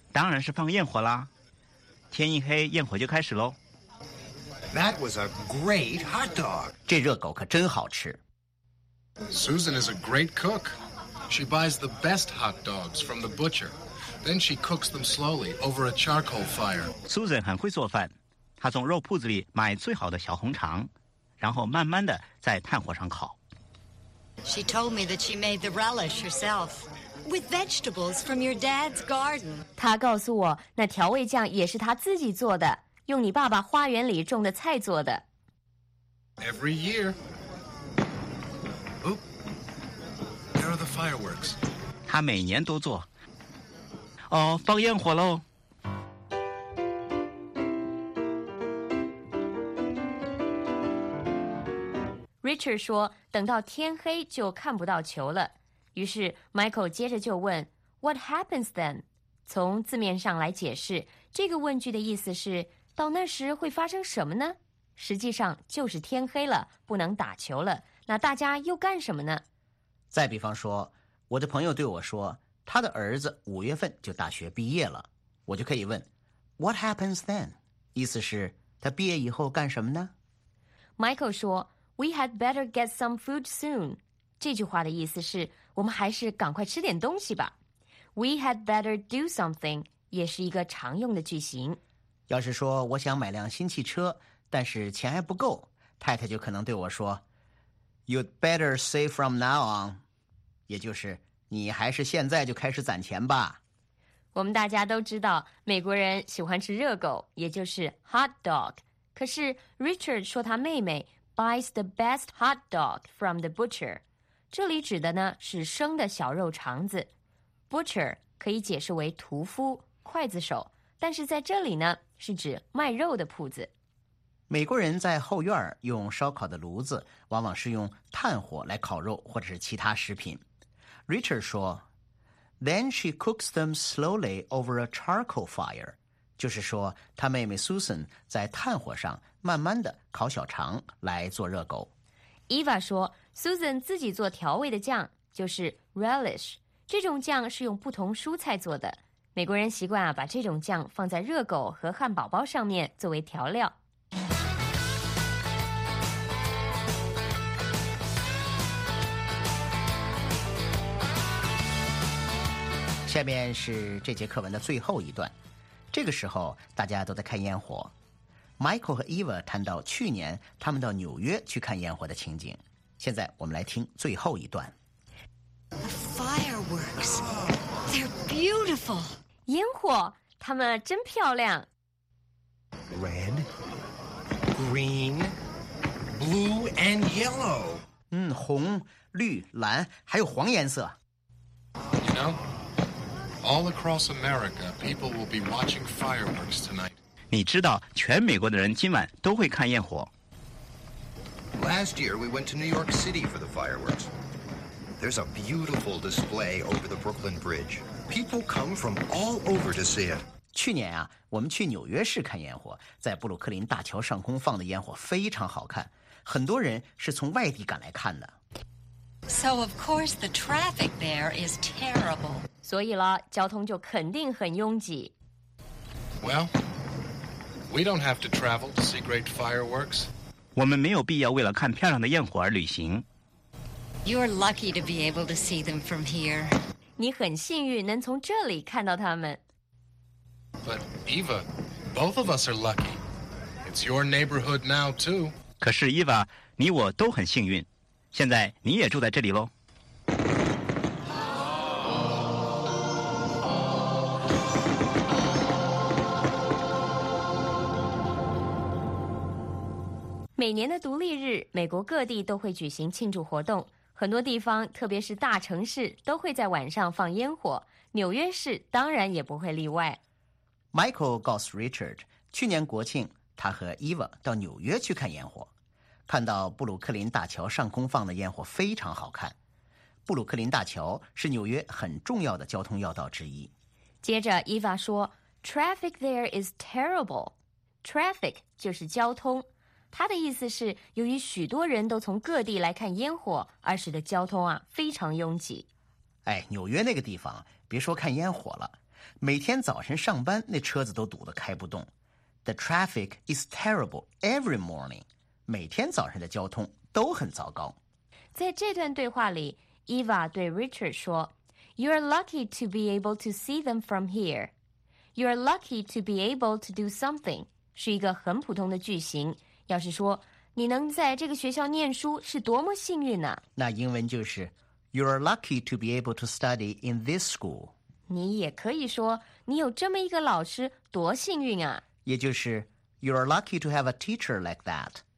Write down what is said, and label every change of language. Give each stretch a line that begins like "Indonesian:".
Chinese: 当然是放焰火啦。天一黑，焰火就开始喽。
English: That was a great hot dog.
Chinese: 这热狗可真好吃。
English: Susan is a great cook. She buys the best hot dogs from the butcher. Then she cooks them slowly over a charcoal fire.
Chinese: Susan 很会做饭，她从肉铺子里买最好的小红肠，然后慢慢的在炭火上烤。
English: She told me that she made the relish herself. With vegetables from your dad's garden.
Chinese: 他告诉我，那调味酱也是他自己做的，用你爸爸花园里种的菜做的。
English: Every year. Oop. There are the fireworks.
Chinese: 他每年都做。哦，放焰火喽。 Richard 说，等到天黑就看不到球了。于是 Michael 接着就问
English: What happens then?
Chinese: 从字面上来解释，这个问句的意思是到那时会发生什么呢？实际上就是天黑了，不能打球了，那大家又干什么呢？再比方说，我的朋友对我说，他的儿子五月份就大学毕业了，我就可以问
English: What happens then?
Chinese: 意思是他毕业以后干什么呢？
English: Michael 说 We had better get some food soon.
Chinese: 这句话的意思是我们还是赶快吃点东西吧。
English: We had better do something
Chinese: 也是一个常用的句型。要是说我想买辆新汽车，但是钱还不够，太太就可能对我说
English: You'd better save from now on.
Chinese: 也就是你还是现在就开始攒钱吧。我们大家都知道美国人喜欢吃热狗，也就是 hot dog。可是 Richard 说他妹妹
English: buys the best hot dog from the butcher，
Chinese: 这里指的呢是生的小肉肠子。 butcher 可以解释为屠夫、刽子手，但是在这里呢是指卖肉的铺子。美国人在后院用烧烤的炉子往往是用炭火来烤肉或者是其他食品。
English: Richard 说 Then she cooks them slowly over a charcoal fire.
Chinese: 就是说她妹妹 Susan 在炭火上慢慢地烤小肠来做热狗。 Eva 说 Susan 自己做调味的酱，就是 relish。这种酱是用不同蔬菜做的，美国人习惯、把这种酱放在热狗和汉堡包上面作为调料。下面是这节课文的最后一段，这个时候大家都在看烟火。 Michael 和 Eva 谈到去年他们到纽约去看烟火的情景，现在我们来听最后一段。
English: The fireworks, they're beautiful.
Chinese: 烟火，它们真漂亮。
English: Red, green, blue and yellow.
Chinese: 红、绿、蓝，还有黄颜色。
English: You know,All across America, people will be watching fireworks tonight.
Chinese: 你知道，全美国的人今晚都会看焰火。
English: Last year, we went to New York City for the fireworks. There's a beautiful display over the Brooklyn Bridge. People come from all over to see it.
Chinese: 去年啊，我们去纽约市看焰火，在布鲁克林大桥上空放的烟火非常好看，很多人是从外地赶来看的。
English: So of course, the traffic there is terrible.
Chinese: 所以了，交通就肯定很拥挤。
English: Well, we don't have to travel to see great fireworks.
Chinese: 我们没有必要为了看漂亮的焰火而旅行。
English: You're lucky to be able to see them from here.
Chinese: 你很幸运能从这里看到他们。
English: But Eva, both of us are lucky. It's your neighborhood now too.
Chinese: 可是伊娃，你我都很幸运，现在你也住在这里喽。每年的独立日，美国各地都会举行庆祝活动，很多地方特别是大城市都会在晚上放烟火，纽约市当然也不会例外。 Michael 告诉 Richard， 去年国庆他和 Eva 到纽约去看烟火，看到布鲁克林大桥上空放的烟火非常好看。布鲁克林大桥是纽约很重要的交通要道之一。
English: 接着 Eva 说 Traffic there is terrible.
Chinese: Traffic 就是交通，他的意思是由于许多人都从各地来看烟火而使得交通啊非常拥挤。哎，纽约那个地方别说看烟火了，每天早晨上班那车子都堵得开不动。
English: The traffic is terrible every morning，
Chinese: 每天早晨的交通都很糟糕。在这段对话里，
English: Eva 对 Richard 说 You're lucky to be able to see them from here. You're lucky to be able to do something
Chinese: 是一个很普通的句型，要是说你能在这个学校念书是多么幸运呢、啊、那英文就是
English: You're lucky to be able to study in this school.
Chinese: 你也可以说你有这么一个老师多幸运啊，也就是
English: You're lucky to have a teacher like that.